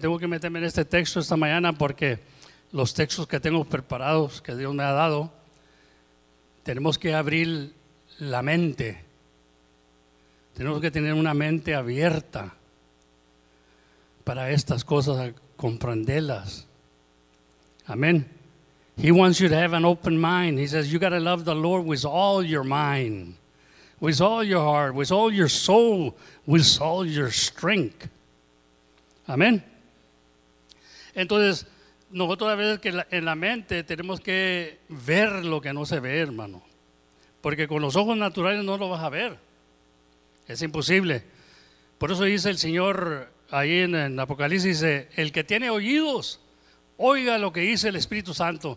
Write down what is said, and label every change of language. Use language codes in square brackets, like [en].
[es] Tengo que meterme en este texto esta mañana porque los textos que tengo preparados, que Dios me ha dado, tenemos que abrir la mente. Tenemos que tener una mente abierta para estas cosas, a comprenderlas. Amén. [en] He wants you to have an open mind. He says, you got to love the Lord with all your mind, with all your heart, with all your soul, with all your strength. [es] Amén. Entonces, nosotros a veces que en la mente tenemos que ver lo que no se ve, hermano. Porque con los ojos naturales no lo vas a ver. Es imposible. Por eso dice el Señor ahí en Apocalipsis, dice: el que tiene oídos, oiga lo que dice el Espíritu Santo.